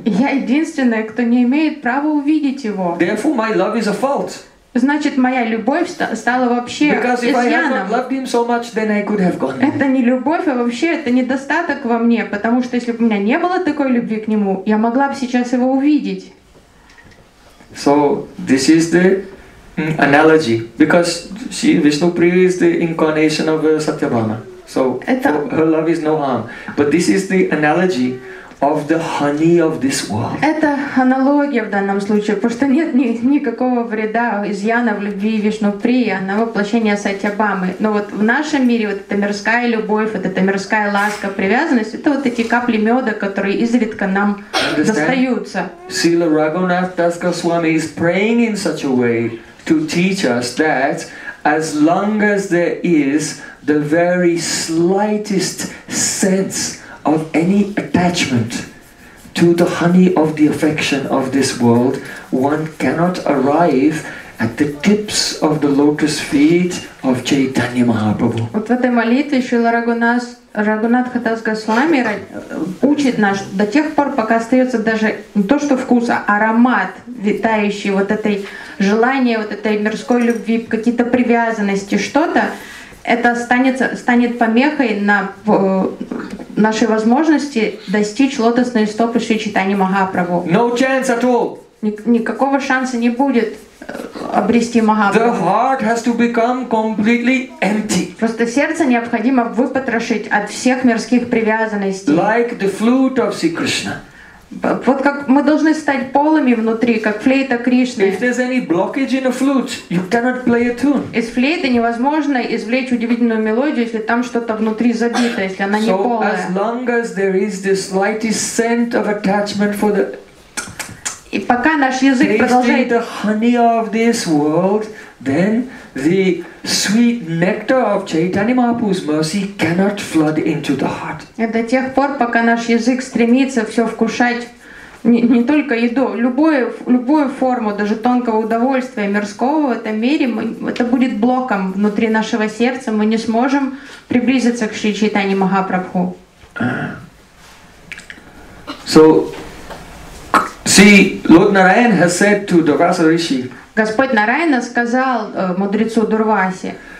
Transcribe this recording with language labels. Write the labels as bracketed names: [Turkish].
[Russian] Я единственная, кто не имеет права увидеть его. [English] Therefore, my love is a fault. [Russian] Значит, моя любовь стала вообще изъяном. Это не любовь, а вообще это недостаток во мне, потому что если бы у меня не было такой любви к нему, я могла бы сейчас его увидеть. [English] So this is the analogy, because she Vishnupriya is the incarnation of Satyabhama. So her love is no harm. But this is the analogy of the honey of this world. [Russian] Это аналогия в данном случае, потому что нет никакого вреда, изъяна в любви Вишнуприя, на воплощение Сатьябамы. Но вот в нашем мире вот эта мирская любовь, вот эта мирская ласка, привязанность, это вот эти капли меда, которые изредка нам достаются. [English] Srila Raghunath Das Goswami is praying in such a way to teach us that as long as there is the very slightest sense of any attachment to the honey of the affection of this world, one cannot arrive at the tips of the lotus feet of Chaitanya Mahaprabhu. [Russian] Вот в этой молитве Шрила Рагхунатха Дас Госвами учит нас до тех пор, пока остается даже не то, что вкус, а аромат, витающий вот этой желания, вот этой мирской любви, какие-то привязанности, что-то. Это станет помехой на нашей возможности достичь лотосной стопы Шри Чайтаньи Махапрабху. [English] No chance at all. [Russian] Никакого шанса не будет обрести Махапрабху. [English] The heart has to become completely empty. [Russian] Просто сердце необходимо выпотрошить от всех мирских привязанностей. [English] Like the flute of Sri Krishna. [Russian] Вот как мы должны стать полыми внутри, как флейта Кришны. [English] If there's any blockage in a flute, you cannot play a tune. [Russian] Из флейты невозможно извлечь удивительную мелодию, если там что-то внутри забито, если она не полная. [English] So as long as there is the slightest scent of attachment for the [Russian] и пока наш язык продолжает [English] the honey of this world, then the sweet nectar of Chaitanya Mahaprabhu's mercy cannot flood into the heart. [Russian] До тех пор, пока наш язык стремится все вкушать не только еду, любую форму, даже тонкого удовольствия мирского в этом мире, это будет блоком внутри нашего сердца, мы не сможем приблизиться к Шри Чайтанье Махапрабху. [English] So, see, Lord Narayan has said to the Vasa Rishi. [Russian] Господь Нараяна сказал мудрецу Дурвасе.